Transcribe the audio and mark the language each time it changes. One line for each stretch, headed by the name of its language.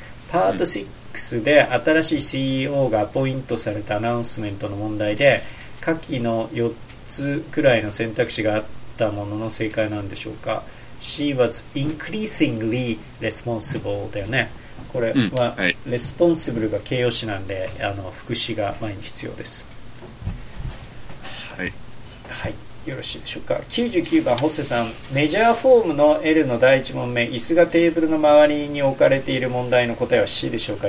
Japanese: パート6で新しい CEO がアポイントされたアナウンスメントの問題で、下記の4つくらいの選択肢があったものの正解なんでしょうか。
English: She was increasingly responsible
Japanese: だよね。これは responsible、うん、はい、が形容詞なんで、副詞が前に必要です。はい、はい、よろしいでしょうか。99番、ホセさん、メジャーフォームの L の第1問目、椅子がテーブルの周りに置かれている問題の答えは C でしょうか。